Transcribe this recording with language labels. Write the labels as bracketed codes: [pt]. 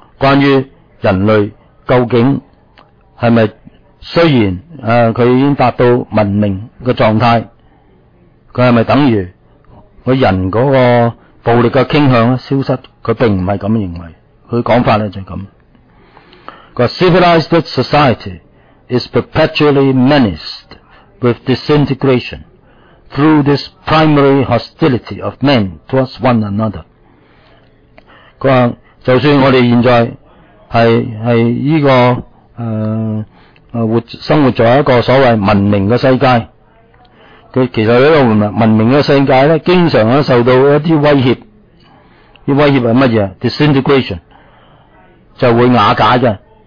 [yue] 關於人類究竟係咪雖然佢已經達到文明嘅狀態，佢係咪等於佢人嗰個暴力嘅傾向消失？佢並唔係咁認為，佢講法咧就係咁。 [en] 個 civilized society is perpetually menaced with disintegration through this primary hostility of men towards one another。 [yue] 佢話。就算我哋現在係依個生活在一個所謂文明嘅世界，佢其實呢個文明嘅世界咧，經常咧受到一啲威脅。啲威脅係乜嘢 ？Disintegration 就會瓦解嘅。